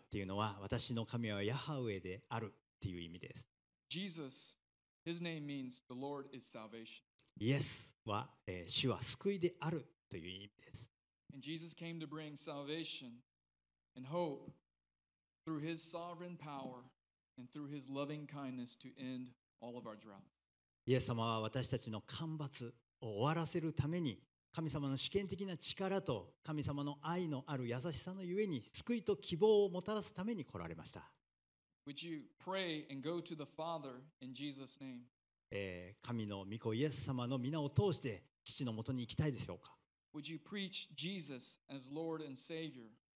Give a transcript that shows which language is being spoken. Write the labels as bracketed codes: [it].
[ja] ていうのは私の神はヤハウェであるっていう意味です。 [en] Jesus, his name means the Lord is salvation. [ja] イエスは、主は救いであるという意味です。 [en] And Jesus came to bring salvation and hope through his sovereign power. And through his loving kindness to end all of our drought. [ja] イエス様は私たちの干ばつを終わらせるために神様の主権的な力と神様の愛のある優しさのゆえに救いと希望をもたらすために来られました。 [en] Would you pray and go to the Father in Jesus' name? [ja] 神の御子イエス様の皆を通して父のもとに行きたいでしょうか。 [en] Would you preach Jesus as Lord and Savior?